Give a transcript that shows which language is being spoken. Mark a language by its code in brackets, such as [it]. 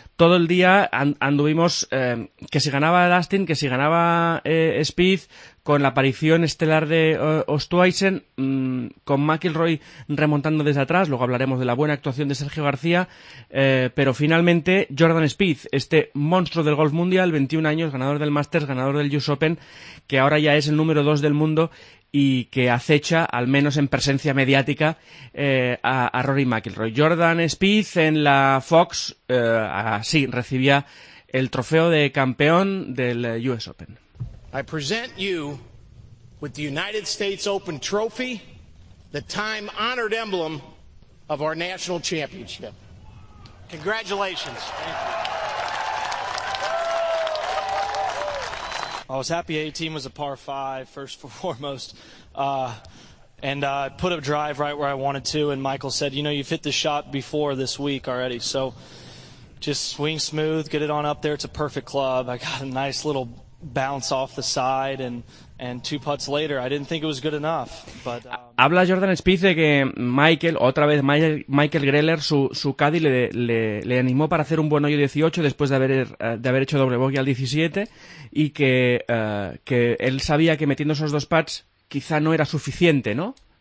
[es] Todo el día anduvimos que si ganaba Dustin, que si ganaba Spieth, con la aparición estelar de Ostuaisen, con McIlroy remontando desde atrás, luego hablaremos de la buena actuación de Sergio García, pero finalmente Jordan Spieth, este monstruo del golf mundial, 21 años, ganador del Masters, ganador del US Open, que ahora ya es el número 2 del mundo y que acecha, al menos en presencia mediática, a Rory McIlroy. Jordan Spieth en la Fox, así, recibía el trofeo de campeón del US Open. [en] I present you with the United States Open trophy, the time-honored emblem of our national championship. Congratulations. Thank you. I was happy 18 was a par 5, first and foremost. And put a drive right where I wanted to, and Michael said, you know, you've hit the shot before this week already, so just swing smooth, get it on up there, it's a perfect club. I got a nice little bounce off the side and two putts later I didn't think it was good enough, but [es] habla Jordan Spieth de que Michael, otra vez Michael Greller, su caddy, le animó para hacer un buen hoyo 18 después de haber hecho doble bogey al 17, y que él sabía que metiendo esos dos putts quizá no era suficiente, ¿no?